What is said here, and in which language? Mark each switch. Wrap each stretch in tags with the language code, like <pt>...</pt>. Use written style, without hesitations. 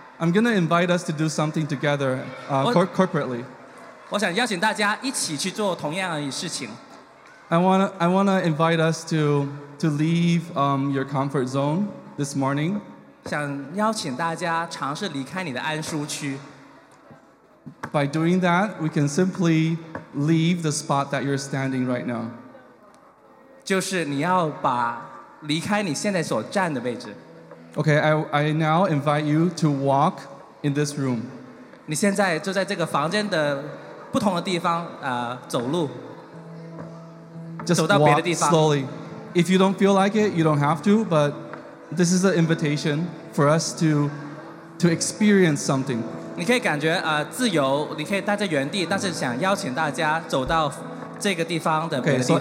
<en>I'm going to invite us to do something together, corporately.</en> <zh>我想邀请大家一起去做同样的事情。</zh> <en>I wanna invite us to leave your comfort zone this morning.</en> <zh>想邀请大家尝试离开你的安舒区。</zh> <en>By doing that, we can simply leave the spot that you're standing right now.</en> <zh>就是你要把离开你现在所站的位置。</zh> <en>Okay, I now invite you to walk in this room.</en> <zh>你现在就在这个房间的不同的地方走路。</zh> <en>Just walk slowly. If you don't feel like it, you don't have to, but this is an invitation for us to experience something.</en> <zh>你可以感觉自由，你可以待在原地，但是想邀请大家走到这个地方的别的地方。</zh>